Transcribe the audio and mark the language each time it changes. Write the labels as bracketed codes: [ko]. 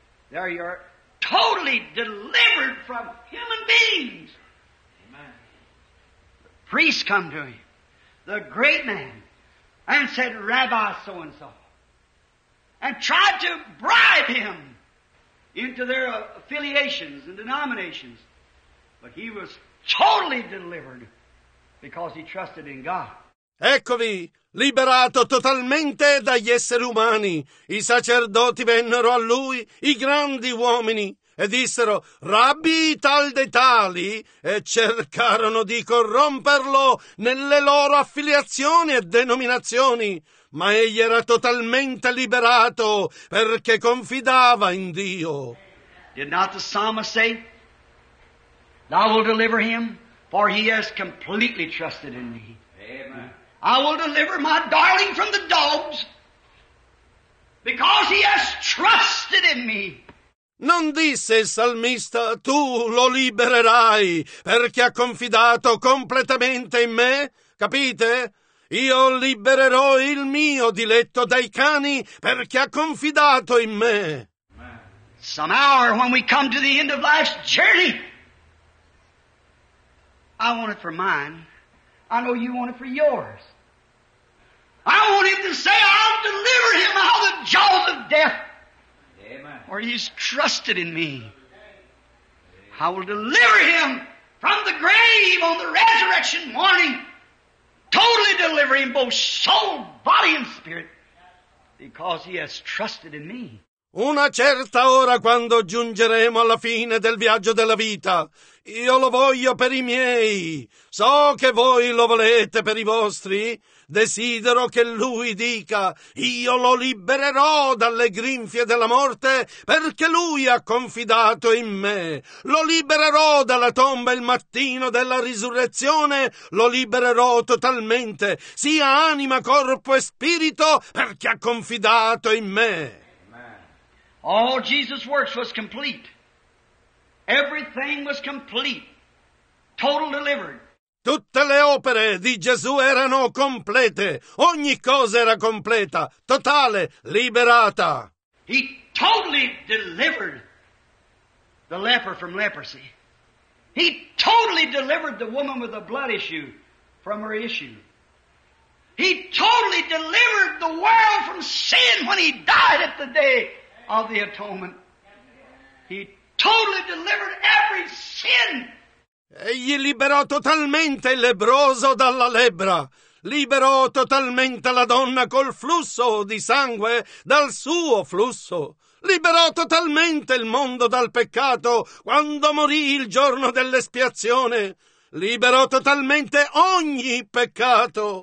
[en] There you are totally delivered from human beings. Amen. The priest come to him, the great man. And said, Rabbi so-and-so. And tried to bribe him into their affiliations and denominations. But he was totally delivered because he trusted in God. [it] Eccovi, liberato totalmente dagli esseri umani. I sacerdoti vennero a lui, i grandi uomini, e dissero, Rabbi tal dei tali, e cercarono di corromperlo nelle loro affiliazioni e denominazioni, ma egli era totalmente liberato perché confidava in Dio. [en] Did not the psalmist say, I will deliver him, for he has completely trusted in me. Amen. I will deliver my darling from the dogs, because he has trusted in me. [it] Non disse il salmista, tu lo libererai, perché ha confidato completamente in me? Capite? Io libererò il mio diletto dai cani, perché ha confidato in me. [en] Some hour when we come to the end of life's journey, I want it for mine. I know you want it for yours. I want him to say, I'll deliver him out of the jaws of death. Amen. For he's trusted in me. I will deliver him from the grave on the resurrection morning. Totally deliver him, both soul, body, and spirit. Because he has trusted in me. [it] Una certa ora, quando giungeremo alla fine del viaggio della vita, io lo voglio per i miei. So che voi lo volete per i vostri. Desidero che lui dica, io lo libererò dalle grinfie della morte perché lui ha confidato in me. Lo libererò dalla tomba il mattino della risurrezione, lo libererò totalmente, sia anima, corpo e spirito, perché ha confidato in me. [en] All Jesus' works was complete. Everything was complete. Total delivery. [it] Tutte le opere di Gesù erano complete. Ogni cosa era completa, totale, liberata. [en] He totally delivered the leper from leprosy. He totally delivered the woman with the blood issue from her issue. He totally delivered the world from sin when he died at the day of the atonement. He totally delivered every sin. [it] Egli liberò totalmente il lebbroso dalla lebbra, liberò totalmente la donna col flusso di sangue dal suo flusso, liberò totalmente il mondo dal peccato quando morì il giorno dell'espiazione, liberò totalmente ogni peccato.